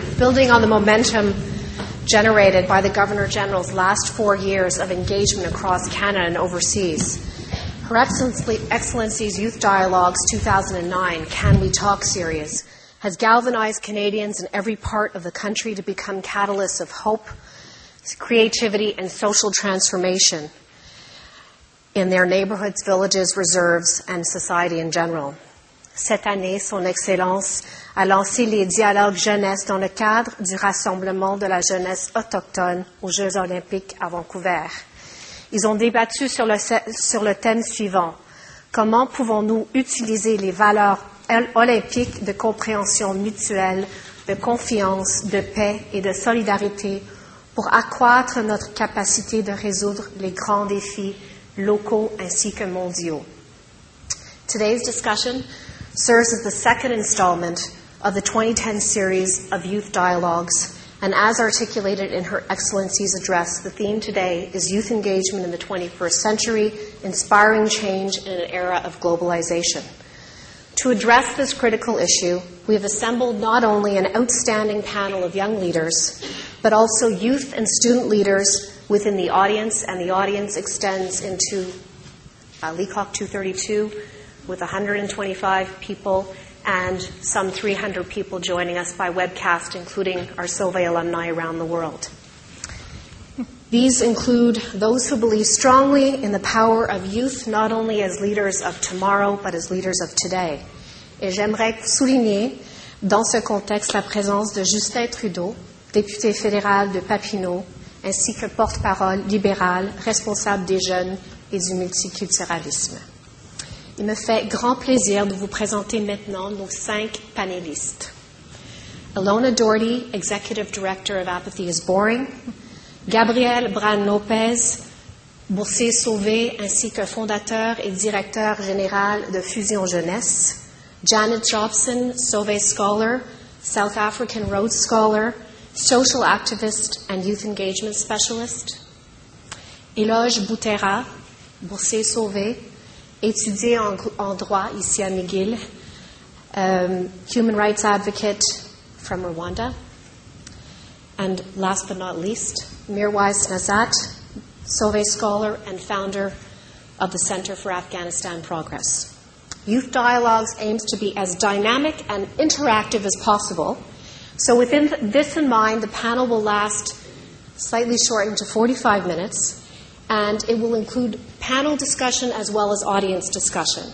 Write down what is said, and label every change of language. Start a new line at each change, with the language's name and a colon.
English: Building on the momentum generated by the Governor General's last 4 years of engagement across Canada and overseas, Her Excellency's Youth Dialogues 2009 Can We Talk series has galvanized Canadians in every part of the country to become catalysts of hope, creativity, and social transformation in their neighborhoods, villages, reserves, and society in general.
French: Cette année, Son Excellence a lancé les dialogues jeunesse dans le cadre du rassemblement de la jeunesse autochtone aux Jeux olympiques à Vancouver. Ils ont débattu sur le thème suivant. Comment pouvons-nous utiliser les valeurs olympiques de compréhension mutuelle, de confiance, de paix et de solidarité pour accroître notre capacité de résoudre les grands défis locaux ainsi que mondiaux?
English: Today's discussion serves as the second installment of the 2010 series of Youth Dialogues, and as articulated in Her Excellency's address, the theme today is youth engagement in the 21st century, inspiring change in an era of globalization. To address this critical issue, we have assembled not only an outstanding panel of young leaders, but also youth and student leaders within the audience, and the audience extends into Leacock 232 with 125 people, and some 300 people joining us by webcast, including our Sauvé alumni around the world. These include those who believe strongly in the power of youth, not only as leaders of tomorrow, but as leaders of today.
French: Et j'aimerais souligner dans ce contexte la présence de Justin Trudeau, député fédéral de Papineau, ainsi que porte-parole libéral, responsable des jeunes et du multiculturalisme. Il me fait grand plaisir de vous présenter maintenant nos 5 panélistes.
English: Ilona Doherty, Executive Director of Apathy is Boring.
French: Gabriel Bran-Lopez, boursier sauvé ainsi que fondateur et directeur général de Fusion Jeunesse.
English: Janet Jobson, Survey Scholar, South African Rhodes Scholar, Social Activist and Youth Engagement Specialist.
French: Éloge Boutera, boursier sauvé, étudié en droit ici à McGill,
English: Human Rights Advocate from Rwanda. And last but not least, Mirwais Nazat, Survey Scholar and founder of the Center for Afghanistan Progress. Youth Dialogues aims to be as dynamic and interactive as possible. So within this in mind, the panel will last slightly shortened to 45 minutes, and it will include panel discussion as well as audience discussion.